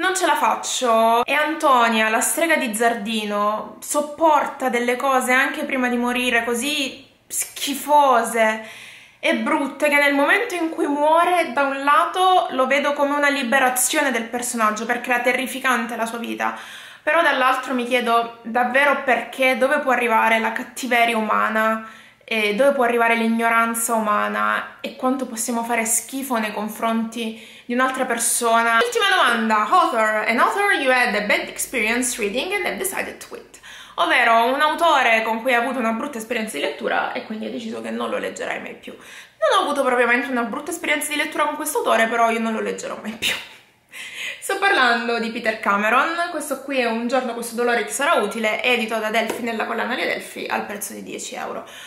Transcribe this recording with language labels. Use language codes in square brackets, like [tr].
[it] Non ce la faccio. E Antonia, la strega di Zardino, sopporta delle cose anche prima di morire così schifose e brutte che nel momento in cui muore, da un lato lo vedo come una liberazione del personaggio perché era terrificante la sua vita, però dall'altro mi chiedo davvero perché, dove può arrivare la cattiveria umana e dove può arrivare l'ignoranza umana e quanto possiamo fare schifo nei confronti di un'altra persona. Ultima domanda. [en] Author, an author you had a bad experience reading and have decided to quit. [it] Ovvero un autore con cui hai avuto una brutta esperienza di lettura e quindi hai deciso che non lo leggerai mai più. Non ho avuto propriamente una brutta esperienza di lettura con questo autore, però io non lo leggerò mai più. Sto parlando di Peter Cameron, questo qui è Un giorno questo dolore ti sarà utile, edito da Delphi nella collana di Delphi al prezzo di 10 euro.